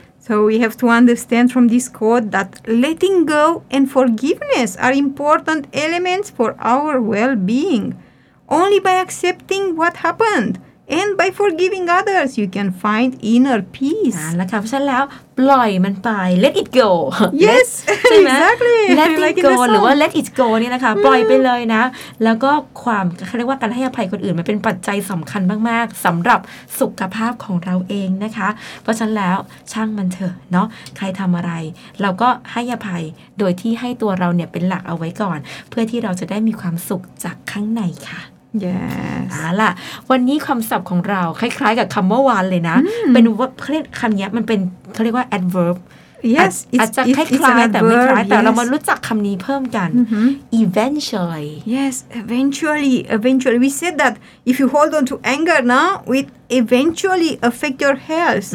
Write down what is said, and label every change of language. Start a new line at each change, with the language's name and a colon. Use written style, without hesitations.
English: So we have to understand from this quote that letting go and forgiveness are important elements for our well-being. Only by accepting what happened and by forgiving others, you can find inner peace.
Thai: แล้วค่ะเพราะฉะนั้นแล้วปล่อยมันไป
English: let it go. Yes, exactly. Let it like go
Thai: หรือว่า
English: let it go
Thai: นี่นะคะปล่อยไปเลยนะแล้วก็ความเขาเรียกว่าการให้อภัยคนอื่นมันเป็นปัจจัยสำคัญมากๆสำหรับสุขภาพของเราเองนะคะเพราะฉะนั้นแล้วช่างมันเถอะเนาะใครทำอะไรเราก็ให้อภัยโดยที่ให้ตัวเราเนี่ยเป็นหลักเอาไว้ก่อนเพื่อที่เราจะได้มีความสุขจากข้างในค่ะ
English: Yes.
Thai: อ่าล่ะวันนี้คำศัพท์ของเราคล้ายๆกับคำเมื่อวานเลยนะ mm. เป็นว่าเรียกคำนี้มันเป็นเขาเรียกว่า adverb
English: yes
Thai: อาจจะคล้ายๆแต่ไม่คล้ายแต่เรามารู้จักคำนี้เพิ่มกัน mm-hmm.
English: eventually yes eventually we said that if you hold on to anger now it eventually affect your health